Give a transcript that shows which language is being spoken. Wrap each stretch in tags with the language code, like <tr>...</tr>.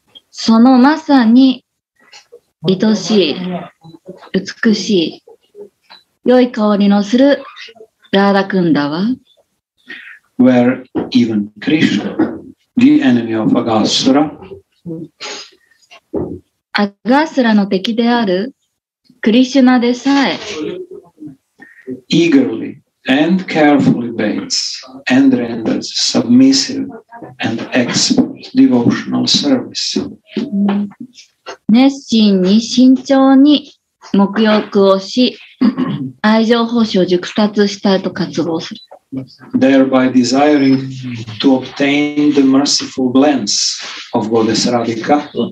<ja>そのまさに愛しい美しい良い香りのするラーダクンダは</ja> <en>Where even Krishna, the enemy of Agasura,</en> <ja>アガスラの敵であるクリシュナでさえ</ja> <en>eagerlyAnd carefully baits and renders submissive and expert devotional service.</en> <ja>熱心に慎重に沐浴をし、愛情奉仕を熟達したいと渇望する。</ja> <en>Thereby desiring to obtain the merciful glance of Goddess Radhika.</en>